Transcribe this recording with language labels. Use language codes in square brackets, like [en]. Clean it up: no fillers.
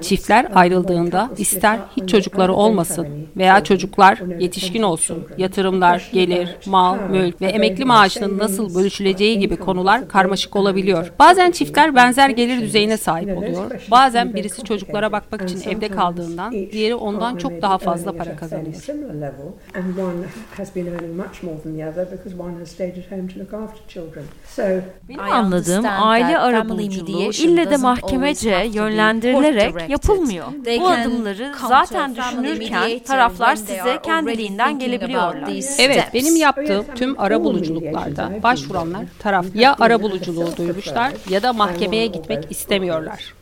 [tr] Çiftler ayrıldığında ister hiç çocukları olmasın veya çocuklar yetişkin olsun, yatırımlar, gelir, mal, mülk ve emekli maaşının nasıl bölüşüleceği gibi konular karmaşık olabiliyor. Bazen çiftler benzer gelir düzeyine sahip oluyor. Bazen birisi çocuklara bakmak için evde kaldığından diğeri ondan çok daha fazla para kazanıyor. [en] Similar level, and one has been earning much more than the other because one has stayed at home to look after children. So, [tr] anladığım aile arabuluculuğu ille de mahkemece yönlendirilerek yapılmıyor. Bu adımları zaten düşünürken taraflar size kendiliğinden gelebiliyorlar. Evet, benim yaptığım tüm arabuluculuklarda başvuranlar taraf ya arabuluculuğu duymuşlar ya da mahkemeye gitmek istemiyorlar.